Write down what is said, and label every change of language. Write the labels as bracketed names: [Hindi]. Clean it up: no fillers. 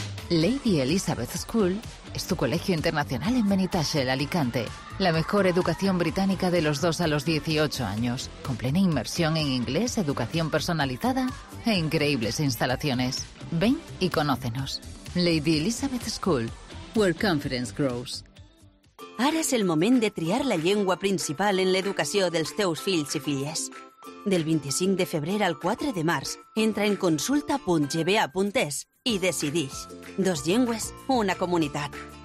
[Spanish] Lady Elizabeth School es tu colegio internacional en Benitashel, Alicante. La mejor educación británica de los 2 a los 18 años, con plena inmersión en inglés, educación personalizada e increíbles instalaciones. Ven y conócenos. [English] Lady Elizabeth School, where confidence grows. [Catalan] Ara és el moment de triar la llengua principal en l'educació dels teus fills i filles. Del 25 de febrer al 4 de març, entra en consulta.gba.es i decidix. Dos llengües, una comunitat.